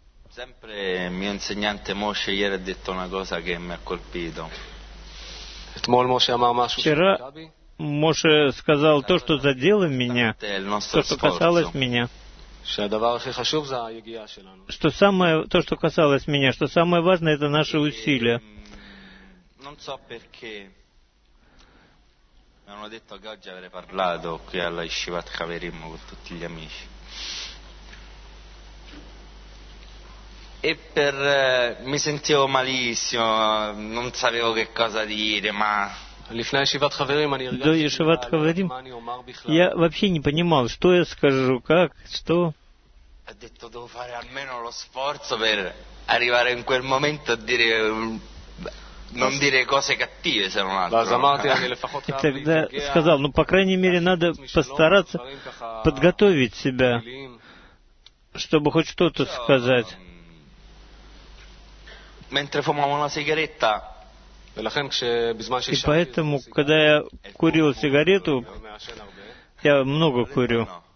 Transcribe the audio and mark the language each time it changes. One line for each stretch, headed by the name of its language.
Italian: Sempre mio insegnante Моше ieri ha detto una cosa che mi ha colpito.
Russian: Вчера Моше сказал то, что задело меня, то, что касалось меня. Что самое, то, что касалось меня, что самое важное, это наши усилия.
Italian: Non so perché. Mi hanno detto che oggi avrei parlato qui alla Yeshivat Haverim con tutti gli amici. E per mi sentivo malissimo, non sapevo che cosa dire, ma.
Russian: До Yeshivat Haverim я вообще не понимал, что я скажу, как, что.
Italian: Ha detto devo fare almeno lo sforzo per arrivare in quel momento a dire non dire cose cattive se non altro.
Russian: И тогда сказал, ну по крайней мере надо постараться подготовить себя, чтобы хоть что-то сказать.
Italian: Mentre fumavo una sigaretta.
Russian: И поэтому, когда я курил сигарету, я много курю.